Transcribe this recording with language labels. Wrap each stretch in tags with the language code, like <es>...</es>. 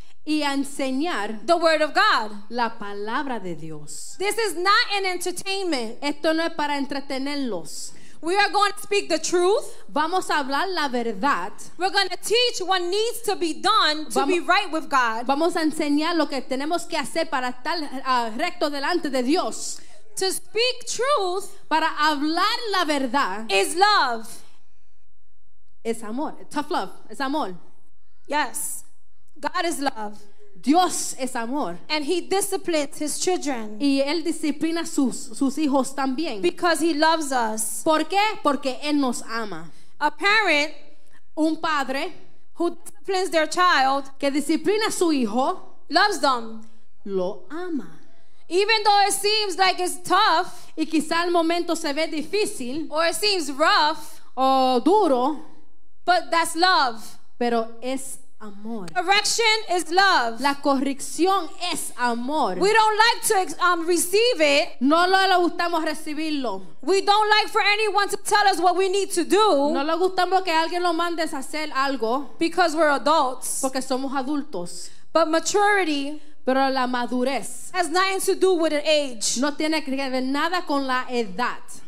<es>y a enseñar,</es> <en>the word of God,</en> <es>la palabra de Dios.</es> <en>This is not an entertainment.</en> <es>Esto no es para entretenerlos.</es> <en>We are going to speak the truth.</en> <es>Vamos a hablar la verdad.</es> <en>We're going to teach what needs to be done to be right with God.</en> <es>Vamos a enseñar lo que tenemos que hacer para estar recto delante de Dios.</es> <en>To speak truth,</en> <es>para hablar la verdad,</es> <en>is love.</en> <es>Es amor.</es> <en>Tough love.</en> <es>Es amor.</es> <en>Yes. God is love.</en> <es>Dios es amor.</es> <en>And He disciplines His children.</en> <es>Y él disciplina sus hijos también.</es> <en>Because He loves us.</en> <es>¿Por qué? Porque él nos ama.</es> <en>A parent,</en> <es>un padre,</es> <en>who disciplines their child,</en> <es>que disciplina su hijo,</es> <en>loves them.</en> <es>Lo ama.</es> <en>Even though it seems like it's tough,</en> <es>y quizá el momento se ve difícil,</es> <en>or it seems rough,</en> <es>o duro,</es> <en>but that's love.</en> <es>Pero es amor.</es> <en>Correction is love.</en> <es>La corrección es amor.</es> <en>We don't like to receive it.</en> <es>No lo gustamos recibirlo.</es> <en>We don't like for anyone to tell us what we need to do.</en> <es>No lo gustamos que alguien lo mande a hacer algo.</es> <en>Because we're adults.</en> <es>Porque somos adultos.</es> <en>But maturity,</en> <es>pero la madurez,</es> <en>has nothing to do with an age.</en> <es>No tiene que ver nada con la edad.</es>